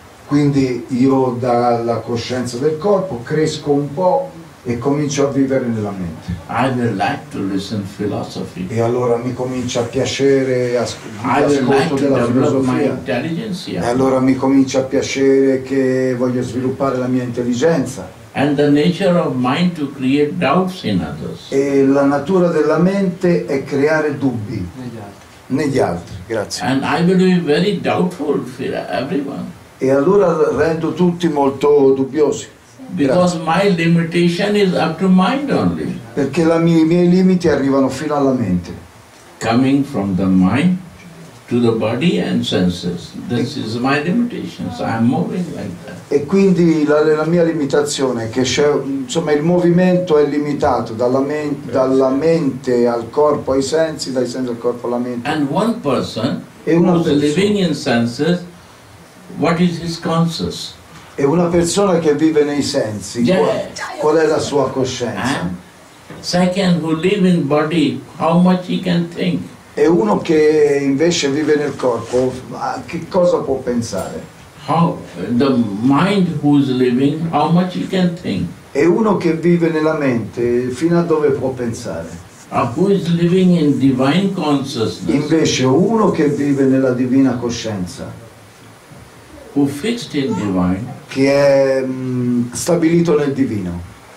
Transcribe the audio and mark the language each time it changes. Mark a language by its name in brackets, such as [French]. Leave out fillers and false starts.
[Italian] Quindi io dalla coscienza del corpo cresco un po' e comincio a vivere nella mente. [English] I would like to listen philosophy. [Italian] E allora mi comincia a piacere l'ascolto della filosofia. E allora mi comincia a piacere che voglio sviluppare la mia intelligenza. [English] And the nature of mind to create doubts in others. [Italian] E la natura della mente è creare dubbi negli altri. Grazie. [English] And I will be very doubtful for everyone. [Italian] E allora rendo tutti molto dubbiosi. [English] Because my limitation is up to mind only. [Italian] Perché i miei limiti arrivano fino alla mente. [English] Coming from the mind to the body and senses. This is my limitation. So I'm moving like that. [Italian] E quindi la mia limitazione è che c'è, insomma, il movimento è limitato dalla mente al corpo ai sensi, dai sensi al corpo alla mente. [English] And one person who's living in senses. What is his conscious? [Italian] È una persona che vive nei sensi. Qual è la sua coscienza? [English] Second, who live in body, how much he can think? [Italian] È uno che invece vive nel corpo, a che cosa può pensare? [English] How the mind who's living, how much he can think? [Italian] È uno che vive nella mente, fino a dove può pensare? [English] Who is living in divine consciousness? [Italian] Invece uno che vive nella divina coscienza. [English] Who fixed in divine, [Italian] che è stabilito nel divino.